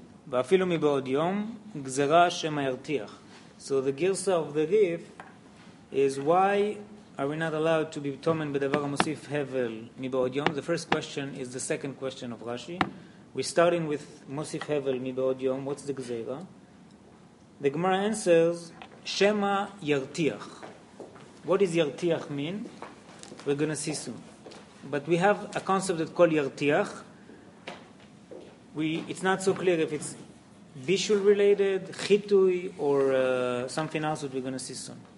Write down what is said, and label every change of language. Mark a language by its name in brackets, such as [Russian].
[Hebrew] ואפילו מבעוד יום, גזרה השם הירתיח. [English] So the girsa of the Rif is why are we not allowed to be tomen [Hebrew] בדבר המוסיף הבל מבעוד יום? [English] The first question is the second question of Rashi. We're starting with [Hebrew] מוסיף הבל מבעוד יום. [English] What's the גזרה? The Gemara answers, [Hebrew] שמה ירתיח. [English] What does ירתיח mean? We're going to see soon. But we have a concept that's called ירתיח. It's not so clear if it's visual related, chitui, or something else that we're going to see soon.